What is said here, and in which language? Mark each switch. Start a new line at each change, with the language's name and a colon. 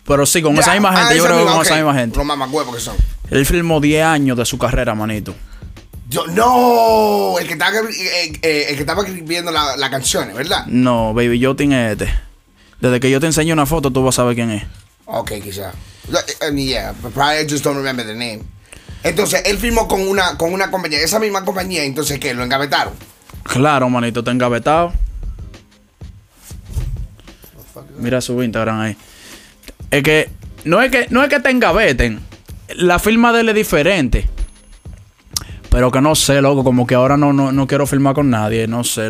Spanish: Pero sí, con ya, esa misma gente, esa misma gente. Los mamás huevos que son. Él filmó 10 años de su carrera, manito. Yo, no, el que estaba viendo la canción, ¿verdad? No, Baby Yotin es este. Desde que yo te enseño una foto, tú vas a saber quién es. Ok, quizá.
English: Probably I just don't remember the name.
Spanish: Entonces, él firmó con una compañía, esa misma compañía, entonces, ¿qué? ¿Lo engavetaron? Claro, manito, está engavetado. Mira su Instagram ahí. Es que no te engaveten. La firma de él es diferente. Pero que no sé, loco, como que ahora no quiero firmar con nadie, no sé.